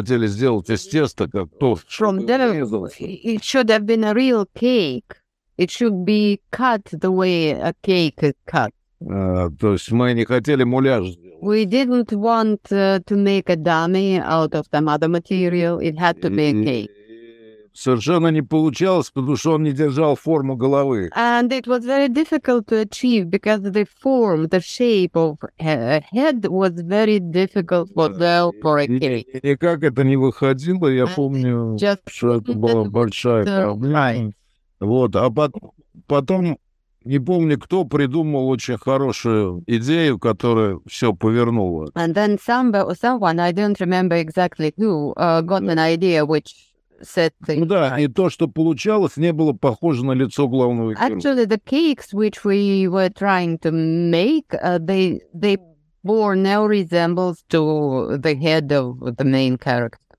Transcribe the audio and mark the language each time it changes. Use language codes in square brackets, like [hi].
[en] From there, it should have been a real cake. It should be cut the way a cake is cut. We didn't want to make a dummy out of some other material. It had to be a cake. [ru] Совершенно не получалось, потому что он не держал форму головы. [en] And it was very difficult to achieve because the form, the shape of a head was very difficult for a cake. [ru] Никак это не выходило, я помню, что это была большая проблема. Вот, а потом, не помню, кто придумал очень хорошую идею, которая все повернула. [en] And then someone, I don't remember exactly who, got an idea which... [ru] Да, и то, что получалось, не было похоже на лицо главного героя. [en] Actually, the cakes which we were trying to make, they bore no resemblance to the head of the main character.